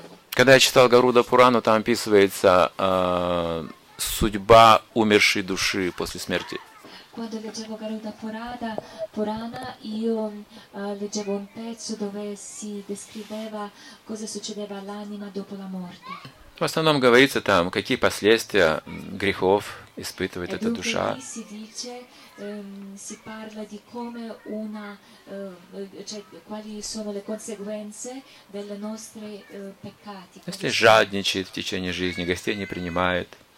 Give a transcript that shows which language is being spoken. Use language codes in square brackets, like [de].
[ru] Когда я читал Гаруда Пурану, там описывается судьба умершей души после смерти. [it] Quando leggevo Garuda Purana, io leggevo un pezzo dove si descriveva cosa succedeva all'anima dopo la morte. [ru] В основном говорится там, какие последствия грехов испытывает эта душа. [it] Si dice, si parla di come una, cioè quali sono le conseguenze delle nostre peccati. [ru] Если жадничает в течение жизни, гостей не принимает.